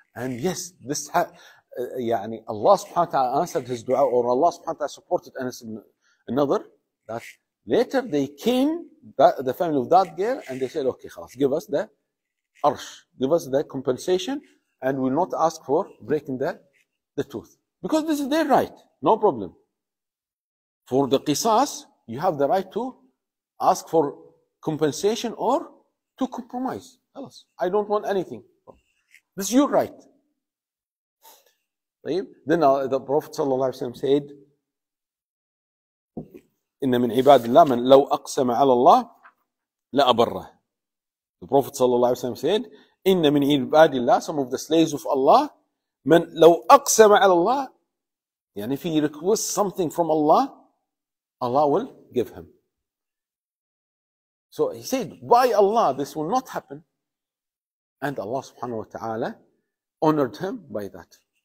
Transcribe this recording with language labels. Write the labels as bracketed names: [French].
[English] And yes, this يعني Allah subhanahu wa ta'ala answered his dua, or Allah subhanahu wa ta'ala supported Anas ibn Nadhr, that later they came, the family of that girl, and they said, okay, khalas, give us the arsh, give us the compensation, and will not ask for breaking the tooth. Because this is their right, no problem. For the qisas, you have the right to ask for compensation or to compromise. Tell us, I don't want anything. This is your right. Then the Prophet ﷺ said, [Arabic] إِنَّ مِنْ عِبَادِ اللَّهِ مَنْ لَوْ أَقْسَمَ عَلَى اللَّهِ لَأَبَرَّهِ. [English] The Prophet ﷺ said, [Arabic] إن من عباد الله, [English] some of the slaves of Allah, [Arabic] من لو أقسم على الله, [English] يعني if he requests something from Allah, Allah will give him. So he said, by Allah, this will not happen. And Allah subhanahu wa ta'ala honored him by that.